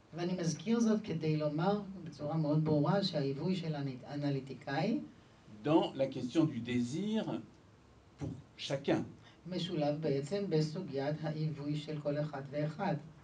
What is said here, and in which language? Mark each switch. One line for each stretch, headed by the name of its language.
Hebrew: ואני מזכיר זאת כדי לומר בצורה מאוד ברורה שהעיווי של האנליטיקאי
French: dans la question du désir pour chacun
Hebrew: משולב בעצם בסוגיית העיווי של כל אחד ואחד.